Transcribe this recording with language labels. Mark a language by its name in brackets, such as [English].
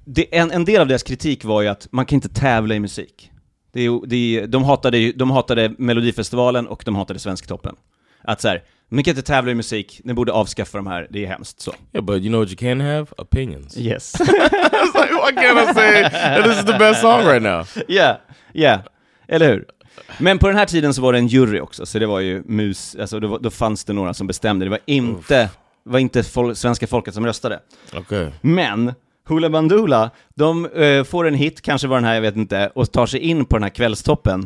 [Swedish] En del av deras kritik var ju att man kan inte tävla i musik. De hatade Melodifestivalen och de hatade Svensktoppen. Att så här, man kan inte tävla i musik, ni borde avskaffa de här, det är hemskt så. [English] Yeah, but you know what you can have? Opinions. Yes. I was like, what can I say? This is the best song right now. [Swedish] Yeah, yeah. Eller hur? Men på den här tiden så var det en jury också, så det var ju mus, alltså då fanns det några som bestämde. Det var inte, svenska folket som röstade. Okej. Okay. Men, Hula Bandula, de får en hit, kanske var den här, jag vet inte, och tar sig in på den här kvällstoppen.